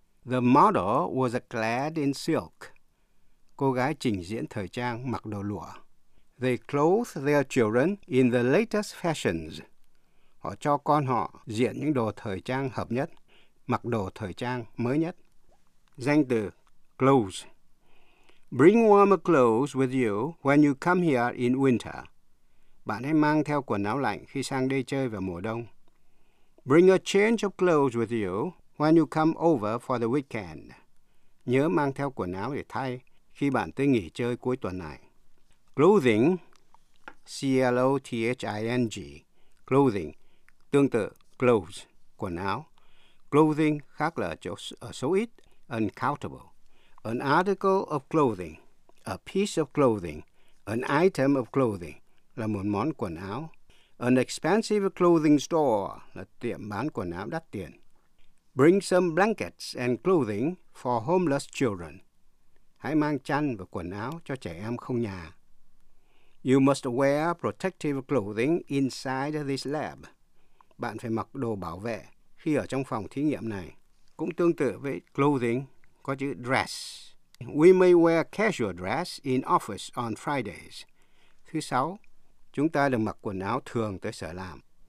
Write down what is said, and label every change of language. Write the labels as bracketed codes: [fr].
[en] The model was clad in silk. [vi] Cô gái trình diễn thời trang mặc đồ lụa. [en] They clothed their children in the latest fashions. Họ [vi] họ cho con họ diện những đồ thời trang hợp nhất, mặc đồ thời trang mới nhất. Danh từ clothes. [en] Bring warmer clothes with you when you come here in winter. [vi] Bạn hãy mang theo quần áo lạnh khi sang đây chơi vào mùa đông. [en] Bring a change of clothes with you when you come over for the weekend. [vi] Nhớ mang theo quần áo để thay khi bạn tới nghỉ chơi cuối tuần này. Clothing, C-L-O-T-H-I-N-G, clothing, tương tự clothes, quần áo. Clothing khác là chỗ số ít, uncountable. [en] An article of clothing, a piece of clothing, an item of clothing, [vi] là một món quần áo. [en] An expensive clothing store, [vi] là tiệm bán quần áo đắt tiền. [en] Bring some blankets and clothing for homeless children. [vi] Hãy mang chăn và quần áo cho trẻ em không nhà. [en] You must wear protective clothing inside this lab. [vi] Bạn phải mặc đồ bảo vệ khi ở trong phòng thí nghiệm này. Cũng tương tự với clothing, có chữ dress. [en] We may wear casual dress in office on Fridays. [vi] Thứ sáu, chúng ta được mặc quần áo thường tới sở làm.